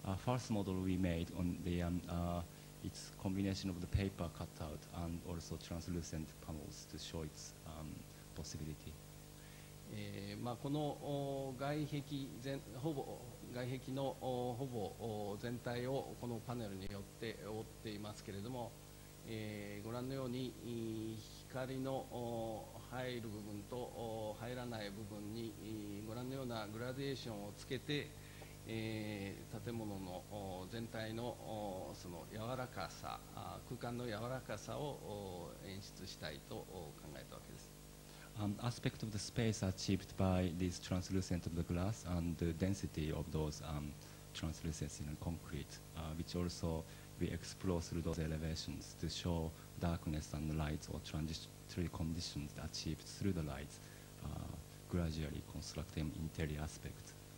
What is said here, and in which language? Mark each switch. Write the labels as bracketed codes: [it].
[en] First model we made on the, It's a combination of the paper cutout and also translucent panels to show its possibility. [ja] まあこの外壁のほぼ全体をこのパネルによって覆っていますけれども、ご覧のように光の入る部分と入らない部分にご覧のようなグラデーションをつけて。建物の全体のその柔らかさ、空間の柔らかさを演出したいと考えたわけです。 [en] Aspect of the space achieved by this translucent of the glass and the density of those translucents in concrete, which also we explore through those elevations to show darkness and light or transitory conditions achieved through the light, gradually constructing interior aspect.